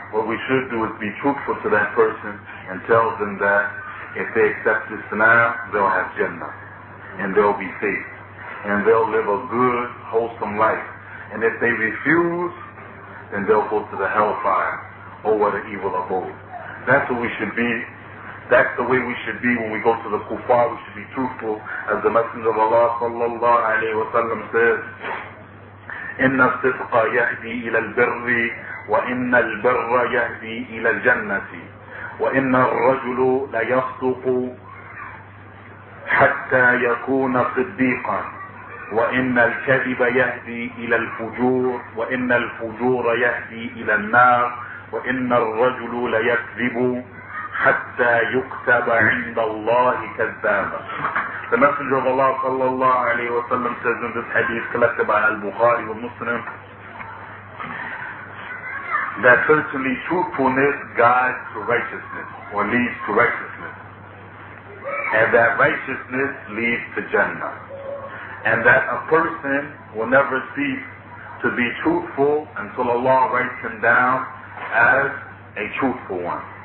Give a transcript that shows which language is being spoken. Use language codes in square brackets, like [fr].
[en] What we should do is be truthful to that person and tell them that if they accept this now, they'll have Jannah and they'll be safe and they'll live a good, wholesome life. And if they refuse, then they'll go to the hellfire. Oh, what an evil abode. That's what we should be. That's the way we should be when we go to the kuffar. We should be truthful, as the Messenger of Allah sallallahu alayhi wa sallam says, [ar] إِنَّ الصِّدْقَ يَهْدِي إِلَى الْبِرِّ وَإِنَّ الْبِرَّ يَهْدِي إِلَى الْجَنَّةِ وَإِنَّ الرَّجُلُ لَيَصْدُقُ حَتَّى يَكُونَ صِدِّيقًا وَإِنَّ الْكَذِبَ يَهْدِي إِلَى الْفُجُورِ وَإِنَّ الْفُجُورَ يَهْدِي إِلَى النَّارِ وَإِنَّ الرَّجُلُ لَيَكْذِبُ حَتَّى يُكْتَبَ عِنْدَ اللَّهِ كَذَّابًا. [en] The Messenger of Allah sallallahu alayhi wa sallam says in this hadith collected by Al-Bukhari and Muslim, that certainly truthfulness guides to righteousness, or leads to righteousness. And that righteousness leads to Jannah. And that a person will never cease to be truthful until Allah writes him down as a truthful one.